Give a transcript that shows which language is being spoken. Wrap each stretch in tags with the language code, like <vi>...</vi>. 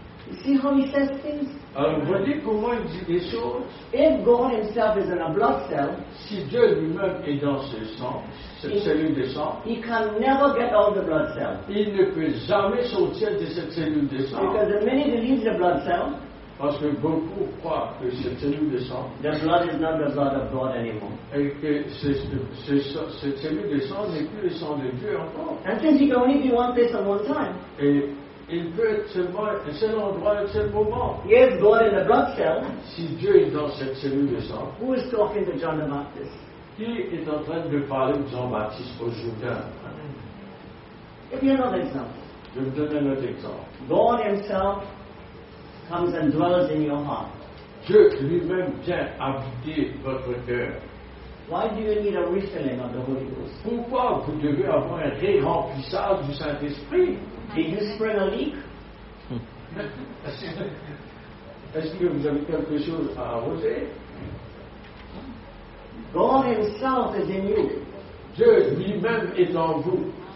<en>You see how he says things?</en> <fr>Alors voyez comment il dit les choses.</fr> <en>If God himself is in a blood cell,</en> <fr>si Dieu lui-même est dans ce sang, cette cellule de sang,</fr> <en>he can never get out of the blood cell.</en> <fr>Il ne peut jamais sortir de cette cellule de sang.</fr> <en>Because many believe the blood cell,</en> <fr>parce que beaucoup croient que cette cellule de sang,</fr> <en>the blood is not the blood of God anymore.</en> <fr>Et que cette cellule de sang n'est plus le sang de Dieu encore.</fr> <en>And since he can only be one place at one time.</en> <fr>Et il peut être seulement à un seul endroit à un seul moment.</fr> <en>Yes, God in the blood cell.</en> <fr>Si Dieu est dans cette cellule de sang.</fr> <en>Who is talking to John the Baptist?</en> <fr>Qui est en train de parler de Jean-Baptiste au Jourdain?</fr> <en>Give me another example.</en> <fr>Je vous donne un autre exemple.</fr> <en>God himself comes and dwells in your heart.</en> <fr>Dieu lui-même vient habiter votre cœur.</fr> <en>Why do you need a refilling of the Holy Ghost?</en> <fr>Pourquoi vous devez avoir un ré-remplissage du Saint-Esprit?</fr> <en>Did you spring a leak?</en> <fr>Est-ce que vous avez quelque chose à arroser?</fr> <en>God himself is in you.</en> <fr>Dieu lui-même est en vous.</fr>